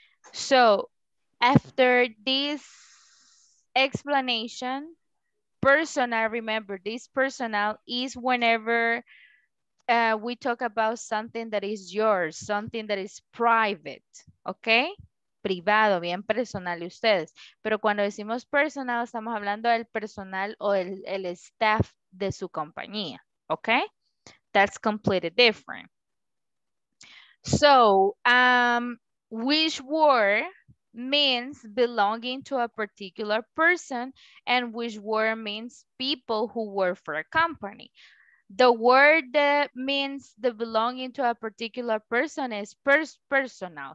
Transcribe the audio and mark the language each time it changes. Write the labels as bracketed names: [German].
[English] So after this explanation, personal, remember, this personal is whenever we talk about something that is yours, something that is private, okay? [Spanish] Privado, bien personal de ustedes. Pero cuando decimos personal, estamos hablando del personal o el staff de su compañía, okay? [English] That's completely different. So, which word means belonging to a particular person and which word means people who work for a company? The word that means the belonging to a particular person is personal.